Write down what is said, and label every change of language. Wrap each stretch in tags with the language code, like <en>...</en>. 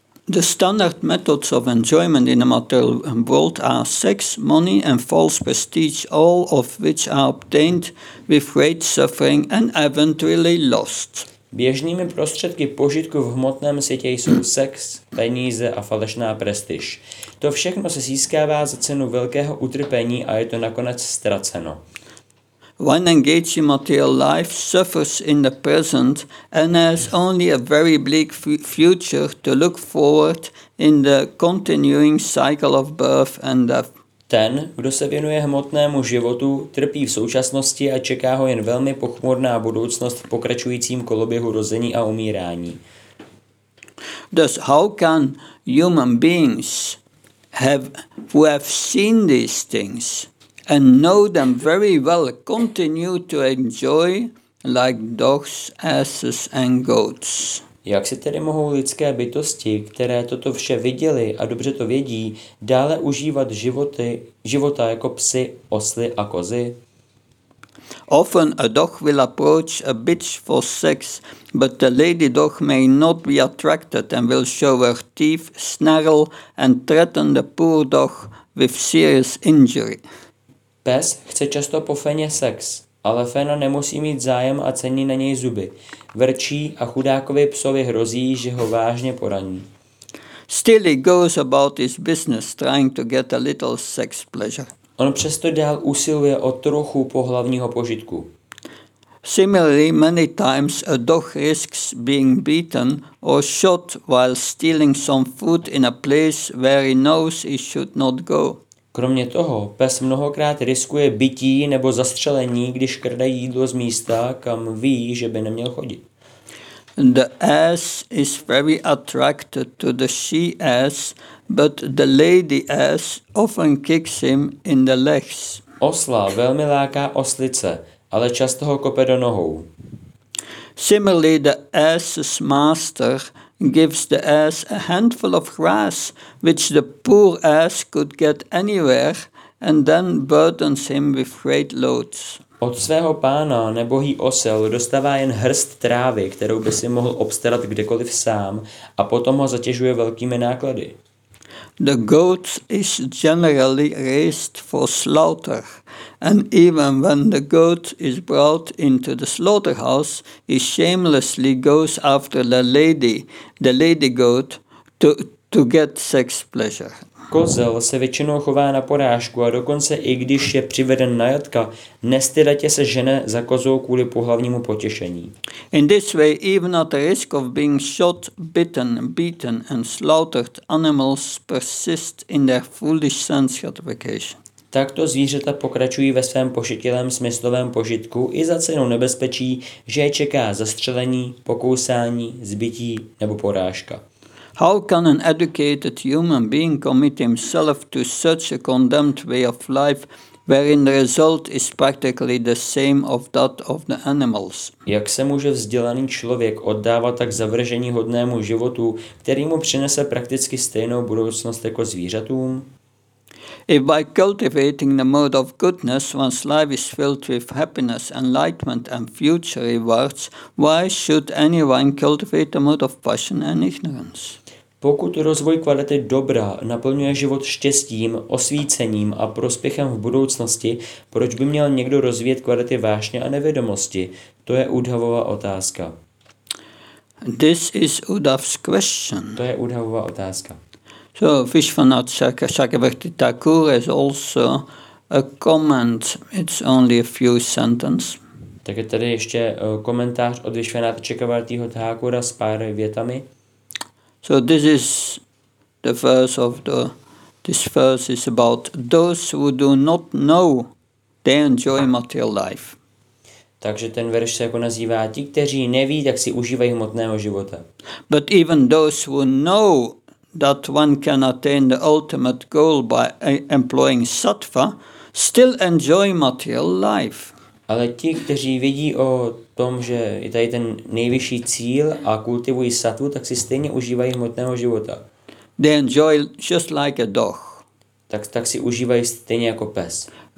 <en>The standard methods of enjoyment in the material world are sex, money and false prestige, all of which are obtained with great suffering and eventually lost.</en> <cs>Běžnými prostředky požitku v hmotném světě jsou sex, peníze a falešná prestiž. To všechno se získává za cenu velkého utrpení a je to nakonec ztraceno.</cs> <en>One engaged in material life suffers in the present and has only a very bleak future to look forward in the continuing cycle of birth and death.</en> <cs>Ten, kdo se věnuje hmotnému životu, trpí v současnosti a čeká ho jen velmi pochmurná budoucnost v pokračujícím koloběhu rození a umírání.</cs> <en>Thus, how can human beings who have seen these things and know them very well continue to enjoy like dogs, asses and goats?</en> <cs>Jak si tedy mohou lidské bytosti, které toto vše viděly a dobře to vědí, dále užívat života jako psy, osly a kozy?</cs> <en>Often a dog will approach a bitch for sex, but the lady dog may not be attracted and will show her teeth, snarl and threaten the poor dog with serious injury.</en> <cs>Pes chce často po feně sex, ale fena nemusí mít zájem a cení na něj zuby. Vrčí a chudákovi psovi hrozí, že ho vážně poraní.</cs> <en>Still he goes about his business trying to get a little sex pleasure.</en> <cs>On přesto dál usiluje o trochu pohlavního požitku.</cs> <en>Similarly, many times a dog risks being beaten or shot while stealing some food in a place where he knows he should not go.</en> <cs>Kromě toho, pes mnohokrát riskuje bití nebo zastřelení, když krade jídlo z místa, kam ví, že by neměl chodit.</cs> <en>The ass is very attracted to the she ass, but the lady ass often kicks him in the legs.</en> <cs>Osla velmi láká oslice, ale často ho kope do nohou.</cs> <en>Similarly, the ass's master gives the ass a handful of grass, which the poor ass could get anywhere, and then burdens him with great loads.</en> <cs>Od svého pána nebohý osel dostává jen hrst trávy, kterou by si mohl obstarat kdekoliv sám, a potom ho zatěžuje velkými náklady.</cs> <en>The goat is generally raised for slaughter, and even when the goat is brought into the slaughterhouse, he shamelessly goes after the lady goat, to get sex pleasure.</en> <cs>Kozel se většinou chová na porážku a dokonce i když je přiveden na jatka, nestydatě se žene za kozou kvůli pohlavnímu potěšení.</cs> <en>In this way, even at the risk of being shot, bitten, beaten and slaughtered, animals persist in their foolish sense gratification.</en> <cs>Takto zvířata pokračují ve svém pošetilém smyslovém požitku i za cenu nebezpečí, že je čeká zastřelení, pokousání, zbití nebo porážka.</cs> <en>How can an educated human being commit himself to such a condemned way of life, wherein the result is practically the same of that of the animals?</en> <cs>Jak se může vzdělaný člověk oddávat tak zavržení hodnému životu, který mu přinese prakticky stejnou budoucnost jako zvířatům?</cs> <en>If by cultivating the mode of goodness one's life is filled with happiness, enlightenment and future rewards, why should anyone cultivate the mode of passion and ignorance?</en> <cs>Pokud rozvoj kvality dobra naplňuje život štěstím, osvícením a prospěchem v budoucnosti, proč by měl někdo rozvíjet kvality vášně a nevědomosti? To je Uddhavova otázka.</cs> <en>This is Uddhav's question.</en> <cs>To je Uddhavova otázka.</cs> <en>So Vishvanatha Chakravarti Thakur is also a comment. It's only a few sentences.</en> <cs>Tak je tady ještě komentář od Vishvanatha Chakravartiho Thakura s pár větami.</cs> <en>So this is the verse of the. This verse is about those who do not know, they enjoy material life.</en> <cs>Takže ten verš se jako nazývá ti, kteří neví, tak si užívají hmotného života.</cs> <en>But even those who know that one can attain the ultimate goal by employing sattva, still enjoy material life.</en> <cs>Ale ti, kteří vidí o tom, že je tady ten nejvyšší cíl a kultivují sattvu, tak si stejně užívají hmotného života.</cs> <en>They enjoy just like a dog.</en> <cs>Tak si užívají stejně jako pes.</cs>